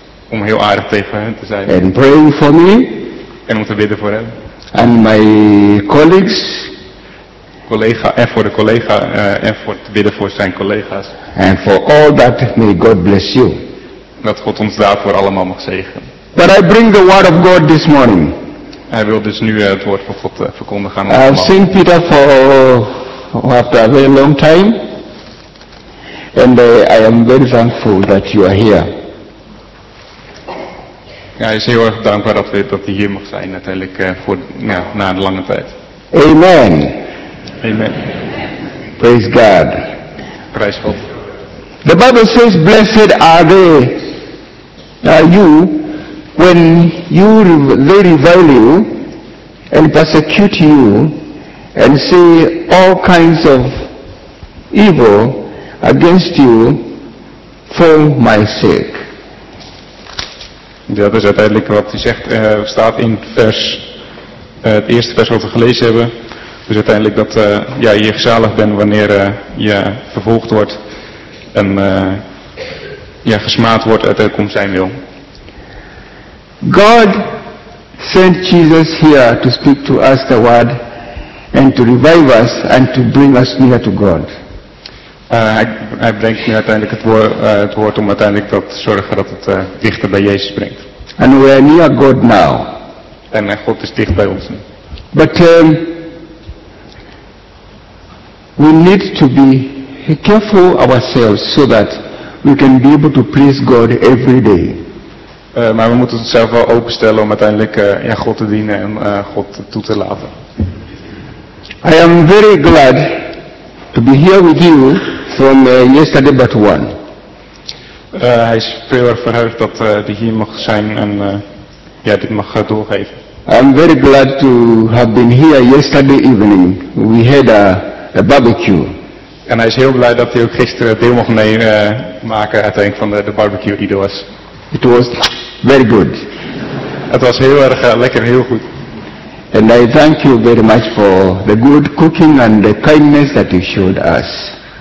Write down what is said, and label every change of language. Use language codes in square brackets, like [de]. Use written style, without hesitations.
[nl] Om heel aardig tegen hen te zijn. [en] And praying for me. [nl] En om te bidden voor hen. [en] And my colleagues. [nl] Collega en voor de collega en voor te bidden voor zijn collega's. [en] And for all that, may God bless you. [nl] Dat God ons daarvoor allemaal mag zegenen. [en] But I bring the word of God this morning. [nl] Hij wil dus nu het woord van God verkondigen. [en] I've seen Peter for after a very long time. And I am very thankful that you are here. [nl] Ja, hij is heel erg dankbaar dat hij hier mag zijn uiteindelijk na een lange tijd. [en] Amen. Amen. Praise God. Praise God. The Bible says, blessed are you when they revile you and persecute you and say all kinds of evil against you for my sake. [nl] Dat is uiteindelijk wat hij zegt, staat in het eerste vers wat we gelezen hebben. Dus uiteindelijk dat je gezalig bent wanneer je vervolgd wordt en gesmaad wordt uiteindelijk om zijn wil. [en] God sent Jesus here to speak to us the word and to revive us and to bring us near to God. [nl] Hij brengt nu uiteindelijk het woord om uiteindelijk dat te zorgen dat het dichter bij Jezus brengt. [en] And we are near God now. [nl] En God is dicht bij ons. [en] But we need to be careful ourselves so that we can be able to please God every day. [nl] Maar we moeten onszelf wel openstellen om uiteindelijk God te dienen en God toe te laten. [en] I am very glad to be here with you from yesterday but one. [nl] Hij is veel erg verheugd dat hij hier mag zijn en dit mag doorgeven. [en] I'm very glad to have been here yesterday evening. We had a barbecue. [nl] En hij is heel blij dat hij ook gisteren deel mocht meemaken uiteindelijk van de barbecue die er was. [en] It was very good. [nl] Het was heel erg lekker, heel goed. [en] And I thank you very much for the good cooking and the kindness that you showed us.